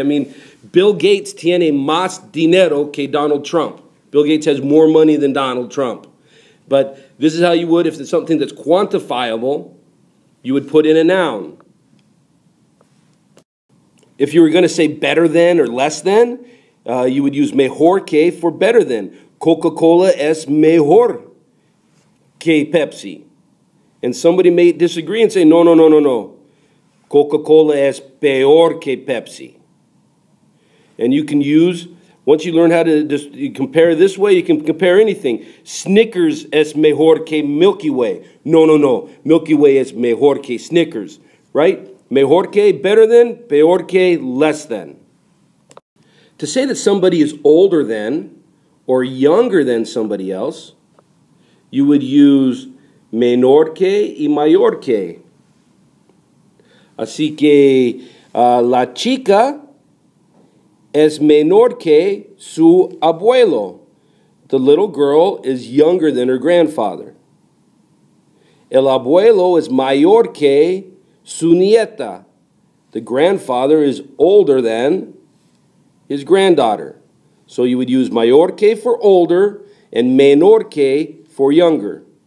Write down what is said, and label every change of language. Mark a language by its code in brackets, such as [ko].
[es] I mean, Bill Gates tiene más dinero que Donald Trump. [en] Bill Gates has more money than Donald Trump. But this is how you would, if it's something that's quantifiable, you would put in a noun. If you were going to say better than or less than, you would use mejor que for better than. [es] Coca-Cola es mejor que Pepsi. [en] And somebody may disagree and say, no. [es] Coca-Cola es peor que Pepsi. [en] And you can use, once you learn how to compare this way, you can compare anything. [es] Snickers es mejor que Milky Way. No. Milky Way es mejor que Snickers. Right? Mejor que, better than, peor que, less than. [en] To say that somebody is older than or younger than somebody else, you would use menor que y mayor que. [es] Así que la chica es menor que su abuelo. [en] The little girl is younger than her grandfather. [es] El abuelo es mayor que su nieta. [en] The grandfather is older than his granddaughter. So you would use mayor que for older and menor que for younger.